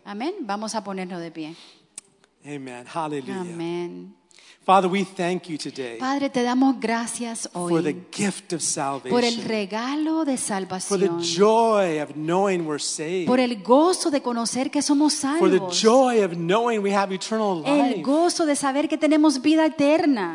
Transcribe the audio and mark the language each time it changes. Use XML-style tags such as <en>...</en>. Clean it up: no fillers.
<es>Amen. Vamos a ponernos de pie.</es> <en>Amen. Hallelujah. Amen. Father, we thank you today.</en> <es>Padre, te damos gracias hoy.</es> <en>For the gift of salvation.</en> <es>Por el regalo de salvación.</es> <en>For the joy of knowing we're saved.</en> <es>Por el gozo de conocer que somos salvos.</es> <en>For the joy of knowing we have eternal life.</en> <es>El gozo de saber que tenemos vida eterna.</es>